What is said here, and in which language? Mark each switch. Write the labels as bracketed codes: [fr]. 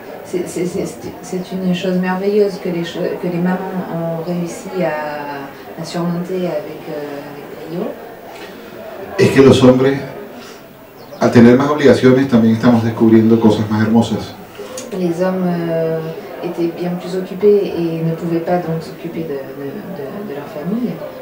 [fr] C'est une chose merveilleuse que les mamans ont réussi à surmonter avec brio. [es] Es que los hombres, al tener más obligaciones, también estamos descubriendo cosas más hermosas. [fr] Les hommes étaient bien plus occupés et ne pouvaient pas donc s'occuper de leur famille.